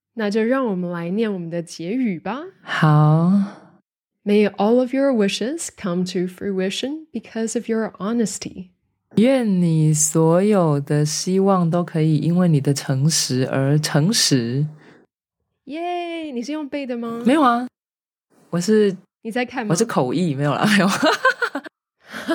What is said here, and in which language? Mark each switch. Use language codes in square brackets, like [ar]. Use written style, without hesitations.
[zh] 那就让我们来念我们的结语吧。好。 [en] May all of your wishes come to fruition because of your honesty. [zh] 愿你所有的希望都可以因为你的诚实而诚实。耶、yeah, 你是用背的吗？没有啊，我是。你在看吗？我是口译。没有啦，没有。哈哈哈